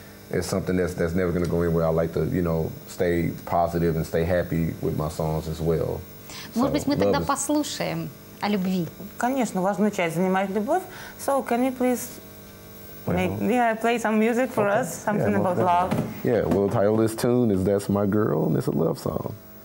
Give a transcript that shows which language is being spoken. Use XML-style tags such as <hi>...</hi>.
<en>it's something that's never going to go anywhere. I like to, you know, stay positive and stay happy with my songs as well.</en> <ru>Может быть, мы тогда послушаем о любви. Конечно, важную часть занимает любовь.</ru> <en>So, can you please play some music for us? Something about love. Yeah, well, the title of this tune is That's My Girl, and it's a love song.</en>